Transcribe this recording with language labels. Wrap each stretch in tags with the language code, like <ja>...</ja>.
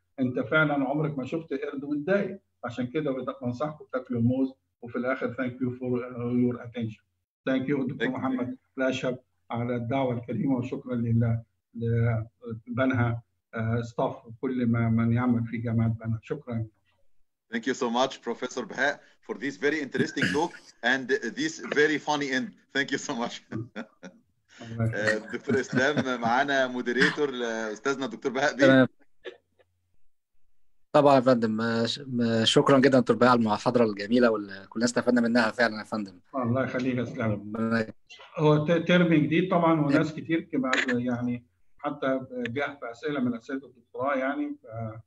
<ar>أنت فعلا عمرك ما شفت قرد متضايق, عشان كده بنصحكم تاكلوا الموز. وفي الآخر</ar> <en>thank you for your attention. Thank you</en> <ar>دكتور محمد الأشهب على الدعوة الكريمة, وشكرا لله لبنها ستاف وكل من يعمل في جامعة بنها. شكرا.</ar> <en>Thank you so much, Professor Bha, for this very interesting talk and this very funny end. Thank you so much.</en> <ar>دكتور إسلام معنا مديريتور, استاذنا الدكتور بهاء بيه. طبعا يا فندم، شكرا جدا دكتور بهاء على المحاضرة الجميلة وكلنا استفدنا منها فعلا يا فندم. الله يخليك يا سلام. هو ترم جديد طبعا، وناس كتير يعني حتى بيحفظ اسئله من اسئله الدكتوراه يعني، ففي</ar>